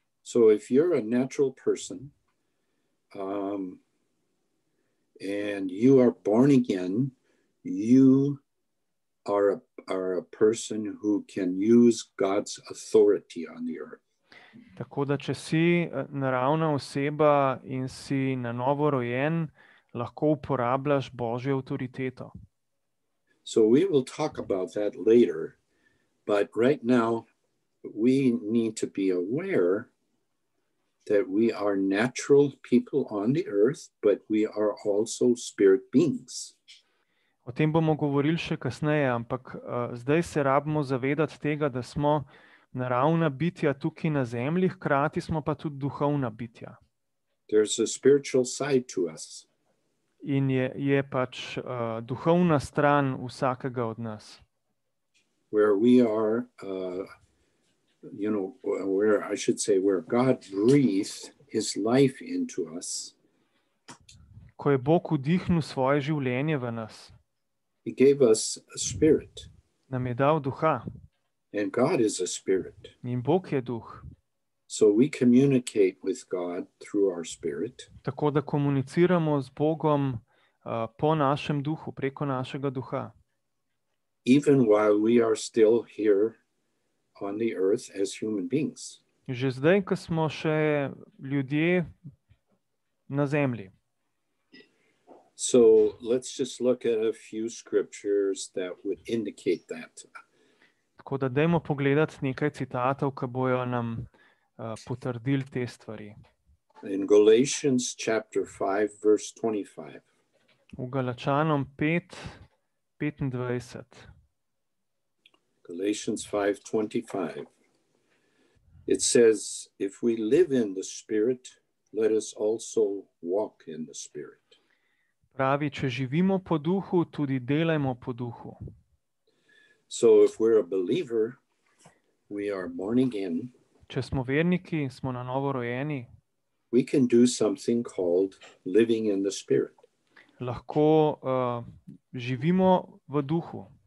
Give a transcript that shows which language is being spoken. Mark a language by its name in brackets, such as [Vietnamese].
[English] So if you're a natural person, and you are born again, you are a person who can use God's authority on the earth. [Slovenian] Tako da, če si naravna oseba in si na novo rojen, lahko uporabljaš Božjo avtoriteto. [English] So we will talk about that later, but right now we need to be aware that we are natural people on the earth, but we are also spirit beings. [Slovenian] O tem bomo govorili še kasneje, ampak zdaj se rabimo zavedati tega, da smo naravna bitja tukaj na zemlji, hkrati smo pa tudi duhovna bitja. [English] There's a spiritual side to us. [Slovenian] In je pač duhovna stran vsakega od nas. [English] Where we are, where I should say, where God breathed his life into us. [Slovenian] Ko je Bog vdihnil svoje življenje v nas. [English] He gave us a spirit. [Slovenian] Nam je dal duha. [English] And God is a spirit. [Slovenian] In Bog je duh. [English] So we communicate with God through our spirit. [Slovenian] Tako da komuniciramo z Bogom po našem duhu, preko našega duha. [English] Even while we are still here on the earth as human beings. [Slovenian] Že zdaj, ko smo še ljudje na zemlji. [English] So let's just look at a few scriptures that would indicate that. [Slovenian] Tako da dajmo pogledati nekaj citatov, ki bojo nam potrdili te stvari. [English] In Galatians chapter 5 verse 25. [Slovenian] V Galačanom 5:25. [English] Galatians 5:25. It says, if we live in the spirit, let us also walk in the spirit. [Slovenian] Pravi, če živimo po duhu, tudi delajmo po duhu. [English] So if we're a believer, we are born again. [Slovenian] Če smo verniki, smo na novo rojeni. [English] We can do something called living in the spirit. [Slovenian] Lahko živimo v duhu.